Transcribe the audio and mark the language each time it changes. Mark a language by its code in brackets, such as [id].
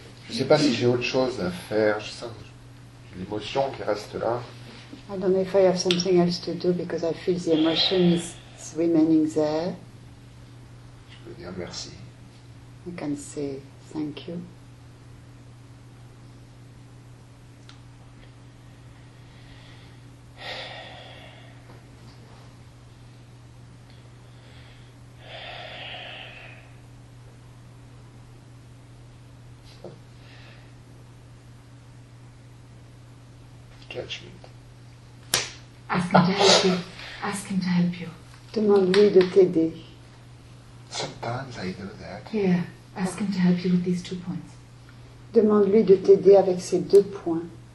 [fr] Je sais pas si j'ai autre chose à faire. Je sens l'émotion qui reste là. [en] I don't know if I have something else to do because I feel the emotion is remaining there. [fr] Je peux dire merci. [en] I can say thank you. Ask him to help you. Ask him to help you. [fr] Demande-lui de t'aider. [en] Sometimes I do that. Yeah. Ask him to help you with these two points. [fr] Demande-lui de t'aider avec ces deux points.